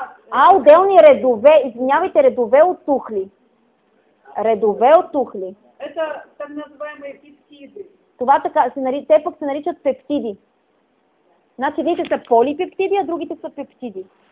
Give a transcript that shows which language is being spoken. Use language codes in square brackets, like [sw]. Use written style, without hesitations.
[bg] А, отделни редове, извинявайте, редове от тухли. Редове от тухли. [ru] Это так называемые пептиды. [bg] Това така, те пък се наричат пептиди. Значи, едните са полипептиди, а другите са пептиди.